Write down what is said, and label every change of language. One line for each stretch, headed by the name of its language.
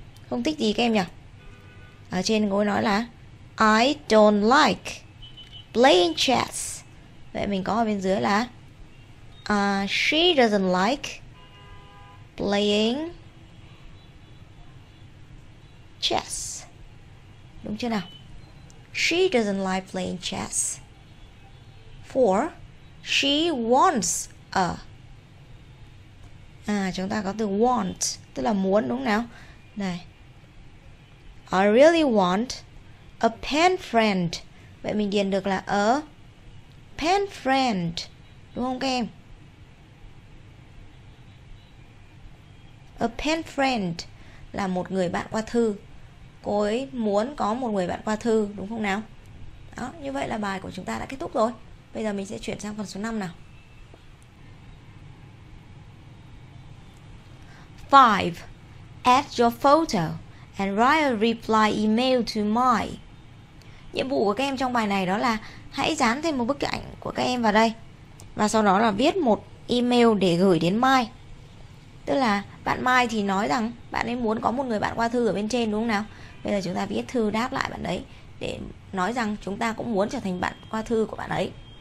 Vietnamese: Không thích gì các em nhỉ? Ở trên cô ấy nói là
English: I don't like playing chess.
Vietnamese: Vậy mình có ở bên dưới là
English: she doesn't like playing chess.
Vietnamese: Đúng chưa nào?
English: She doesn't like playing chess. 4. She wants a.
Vietnamese: À, chúng ta có từ want, tức là muốn, đúng không nào?
English: Này, I really want a pen friend.
Vietnamese: Vậy mình điền được là a pen friend. Đúng không các em? A pen friend là một người bạn qua thư. Cô ấy muốn có một người bạn qua thư, đúng không nào? Đó, như vậy là bài của chúng ta đã kết thúc rồi. Bây giờ mình sẽ chuyển sang phần số 5 nào. 5.
English: Add your photo and write a reply email to my.
Vietnamese: Nhiệm vụ của các em trong bài này đó là hãy dán thêm một bức ảnh của các em vào đây và sau đó là viết một email để gửi đến Mai. Tức là bạn Mai thì nói rằng bạn ấy muốn có một người bạn qua thư ở bên trên, đúng không nào? Bây giờ chúng ta viết thư đáp lại bạn đấy để nói rằng chúng ta cũng muốn trở thành bạn qua thư của bạn ấy.